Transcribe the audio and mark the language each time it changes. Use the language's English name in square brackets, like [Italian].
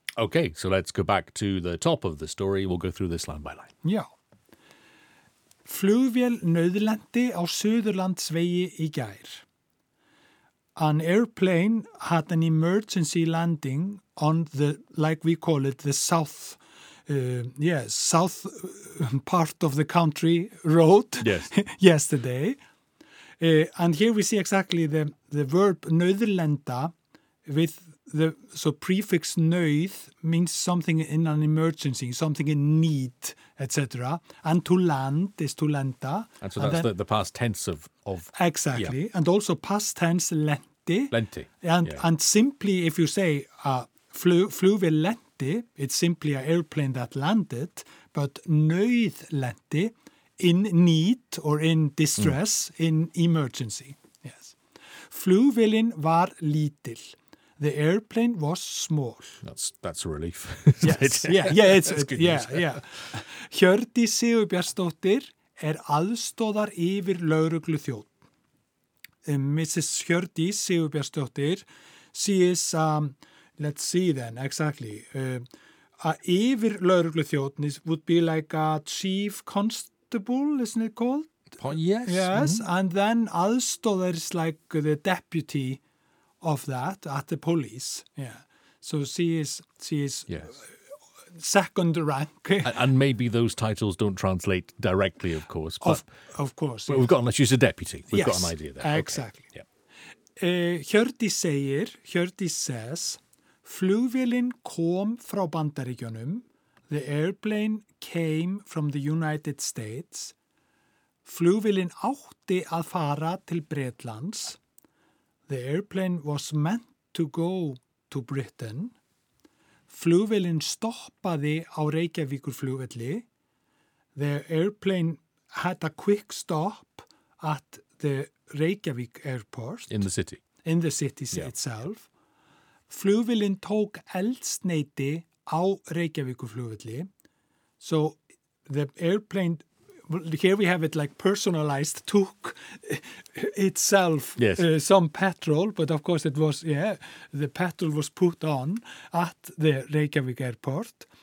[English] Okay, so let's go back to the top of the story. We'll go through this line by line. [Icelandic] Já. Flugvél nauðlenti á Suðurlandsvegi í gær. [English] An airplane had an emergency landing on the, like we call it, the south, south part of the country road. Yes. Yesterday. And here we see exactly the verb nauðlenta with the so prefix nauð means something in an emergency, something in need, etc. And to land is to lenta. And so that's and then, the past tense of exactly. Yeah. And also past tense lenti. [Icelandic] Lenti. [English] And simply if you say flugvél lenti, it's simply an airplane that landed, but nauð lenti in need or in distress, in emergency. Yes. [Icelandic] Flugvélin var lítil. [English] The airplane was small. That's a relief. Yes. [Icelandic] Hjördís Sigurbjartsdóttir aðstoðar yfir lögregluþjónn. [English] Mrs. Hjördís Sigurbjartsdóttir, she is, let's see then, exactly. Yfir lögregluþjónn would be like a chief constable, isn't it called? Yes. Yes, and then aðstoðar is like the deputy of that at the police, yeah. So she is yes. Second rank, and maybe those titles don't translate directly, of course. Of course. Well, yes. We've got unless she's a deputy. We've yes, got an idea there. Exactly. Okay. Yeah. [Icelandic] Hjördís says, flugvélin kom frá Bandaríkjunum. [English] The airplane came from the United States. [Icelandic] Flugvélin átti að fara til Bretlands. [English] The airplane was meant to go to Britain. [Icelandic] Flugvélin stoppaði á Reykjavíkurflugvelli. [English] The airplane had a quick stop at the Reykjavík airport. In the city. In the city itself. [Icelandic] Flugvélin tók eldsneyti á Reykjavíkurflugvelli. [English] So the airplane, here we have it like personalized, took itself some petrol, but of course it was, the petrol was put on at the Reykjavík airport.